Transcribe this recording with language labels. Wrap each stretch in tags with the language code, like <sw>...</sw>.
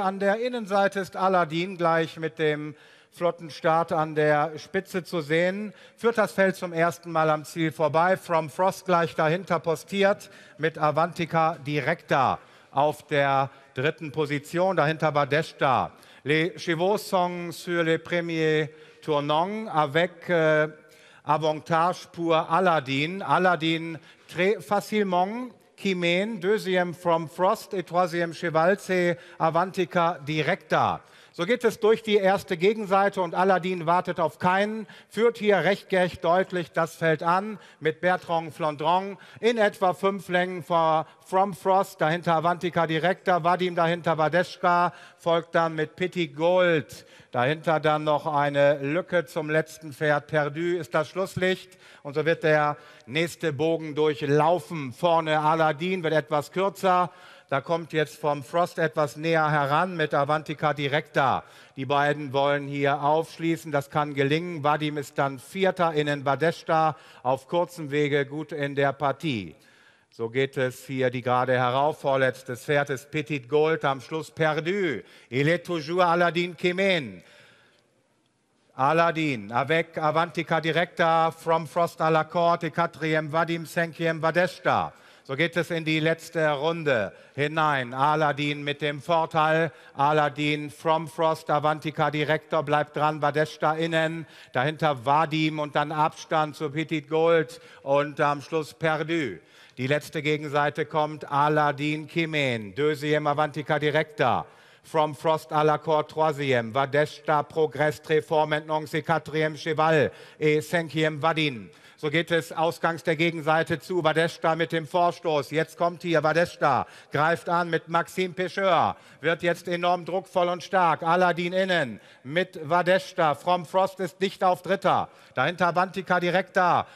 <de>An der Innenseite ist Aladdin gleich mit dem flotten Start an der Spitze zu sehen. Führt das Feld zum ersten Mal am Ziel vorbei. From Frost gleich dahinter postiert mit Avantika direkt da auf der dritten Position. Dahinter war Deshta.</de> <fr>Les chevaux sont sur les premiers tournants avec avantage pour Aladdin. Aladdin très facilement. Kimen, deuxième from Frost et troisième cheval, Avantika direkt da.</fr> <de>So geht es durch die erste Gegenseite und Aladdin wartet auf keinen, führt hier recht gerecht deutlich das Feld an mit Bertrand Flandron in etwa 5 Längen vor From Frost, dahinter Avantika direkt da, Vadim dahinter Vadeshka, folgt dann mit Petit Gold, dahinter dann noch eine Lücke zum letzten Pferd, Perdu ist das Schlusslicht und so wird der nächste Bogen durchlaufen. Vorne Aladdin wird etwas kürzer. Da kommt jetzt vom Frost etwas näher heran mit Avantika direkt da. Die beiden wollen hier aufschließen, das kann gelingen. Vadim ist dann Vierter in den Badeshta, auf kurzem Wege gut in der Partie. So geht es hier die gerade herauf. Vorletztes Pferd ist Petit Gold, am Schluss Perdu.</de> <fr>Il est toujours Aladdin Kemen. Aladdin, avec Avantika direkt da, from Frost à la Corte, quatrième Vadim, cinquième Badeshta.</fr> <de>So geht es in die letzte Runde hinein. Aladdin mit dem Vorteil. Aladdin from Frost, Avantika Direktor bleibt dran, Badeshta innen. Dahinter Vadim und dann Abstand zu Petit Gold und am Schluss Perdu. Die letzte Gegenseite kommt Aladdin Kimen.</de> <fr>Deuxième Avantika Direktor. From Frost à la Corte, troisième. Vadeshta Progress, Tréform, Entnons, quatrième Cheval et cinquième Vadim.</fr> <de>So geht es ausgangs der Gegenseite zu. Vadeshta mit dem Vorstoß. Jetzt kommt hier Vadeshta, greift an mit Maxime Pecheur. Wird jetzt enorm druckvoll und stark. Aladdin innen mit Vadeshta. From Frost ist dicht auf Dritter. Dahinter Avantika direkt da.</de>